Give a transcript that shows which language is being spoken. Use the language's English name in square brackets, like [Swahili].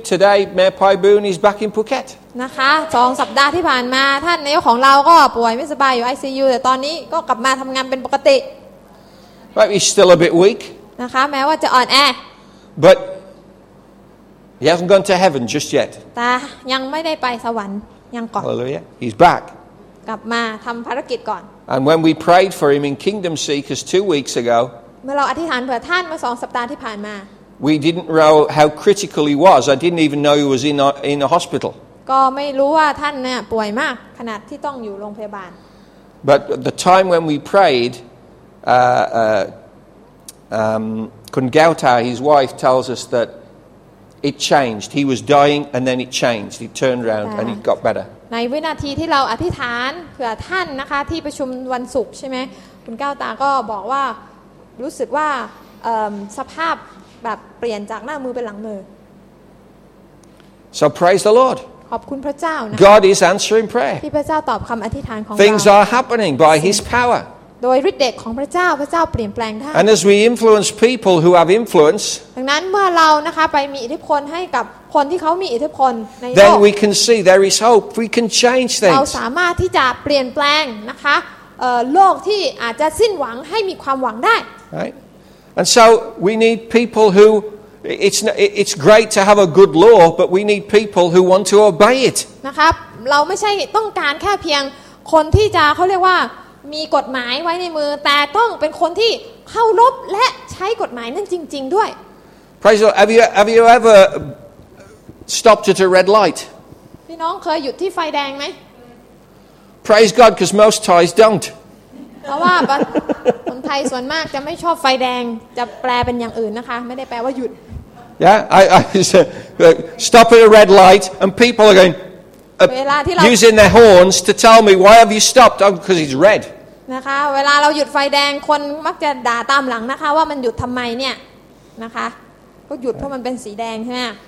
[English] Today, Mayor Pai Boon is back in Phuket. [Thai] นะคะ สองสัปดาห์ที่ผ่านมาท่านนายกของเราก็ป่วยไม่สบายอยู่ ICU แต่ตอนนี้ก็กลับมาทำงานเป็นปกติ [English] Right, he's still a bit weak. [Thai] นะคะแม้ว่าจะอ่อนแ [English] อ ButHe hasn't gone to heaven just yet. [Thai] แต่ยังไม่ได้ไปสวรรค์ยังก่อน [English] Hallelujah. He's back. [Thai] กลับมาทำภารกิจก่อน [English] And when we prayed for him in Kingdom Seekers 2 weeks ago, [Thai] เมื่อเราอธิษฐานเผื่อท่านเมื่อ2 สัปดาห์ที่ผ่านมา [English] we didn't know how critical he was. I didn't even know he was in a hospital. [Thai] ก็ไม่รู้ว่าท่านเนี่ยป่วยมากขนาดที่ต้องอยู่โรงพยาบาล [English] But the time when we prayed, Kun Gauta, his wife, tells us that. It changed. He was dying, and then it changed. It turned around, and he got better. [Thai] ในวินาทีที่เราอธิษฐานเผื่อท่านนะคะที่ประชุมวันศุกร์ใช่ไหมคุณก้าวตาก็บอกว่ารู้สึกว่าสภาพแบบเปลี่ยนจากหน้ามือเป็นหลังมือ [English] So praise the Lord. [Thai] ขอบคุณพระเจ้านะ [English] God is answering prayer. [Thai] ที่พระเจ้าตอบคำอธิษฐานของเรา [English] Things are happening by His power. [Thai] โดยฤทธิ์เดชของพระเจ้าพระเจ้าเปลี่ยนแปลงท่าน [English] And as we influence people who have influence [Thai] ดังนั้นเมื่อเรานะคะไปมีอิทธิพลให้กับคนที่เขามีอิทธิพลในโลก [English] Then we can see there is hope we can change things [Thai] เราสามารถที่จะเปลี่ยนแปลงนะคะโลกที่อาจจะสิ้นหวังให้มีความหวังได้ [English] Right And so we need people who it's great to have a good law but we need people who want to obey it [Thai] นะครับเราไม่ใช่ต้องการแค่เพียงคนที่จะเขาเรียกว่ามีกฎหมายไว้ในมือแต่ต้องเป็นคนที่เคารพและใช้กฎหมายนั้นจริงๆด้วย [English] Praise God. Have you ever stopped at a red light? [Thai] พี่น้องเคยหยุดที่ไฟแดงไหม [English] Praise God because most Thais don't [Thai] เพราะว่าคนไทยส่วนมากจะไม่ชอบไฟแดงจะแปลเป็นอย่างอื่นนะคะไม่ได้แปลว่าหยุด [English] Yeah I stop at a red light and people are goingusing their horns to tell me why have you stopped oh, because it's red [Thai] นะคะเวลาเราหยุดไฟแดงคนมักจะด่าตามหลังนะคะว่ามันหยุดทำไมเนี่ยนะคะก็หยุดเพราะมันเป็นสีแดงใช่ไหม